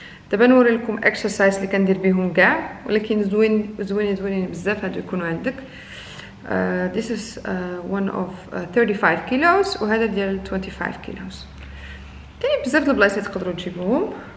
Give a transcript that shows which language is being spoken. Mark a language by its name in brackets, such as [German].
[Arabic] دابا نوري لكم اكسرسايز اللي كندير بهم كاع، ولكن زوينين بزاف هادو يكونوا عندك. [English] This is one of 35 kilos [Arabic] وهذا ديال [English] 25 kilos. [Arabic] كاين بزاف د البلايص تقدروا تجيبوهم.